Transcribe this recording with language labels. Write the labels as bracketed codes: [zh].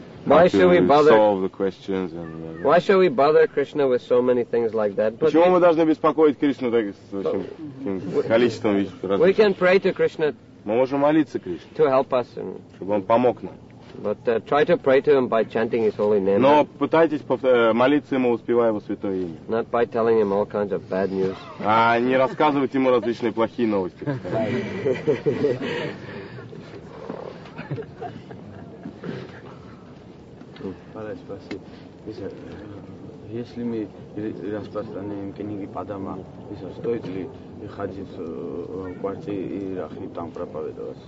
[en] why should we bother solve the questions and why should we bother Krishna with so many things like that? [ru] Почему мы должны беспокоить Кришну так с количеством вещей? [en] We can pray to Krishna. [ru] Мы можем молиться Кришне. [en] To help us. [ru] Чтобы он помог нам. [en] But try to pray to him by chanting his holy name. [ru] Но пытайтесь молиться ему, успевая его святое имя. [en] Not by telling him all kinds of bad news. [ru] А не рассказывать ему различные плохие новости. Спасибо. Если мы распространяем книги по домам, стоит ли ходить в квартиру и там проповедовать?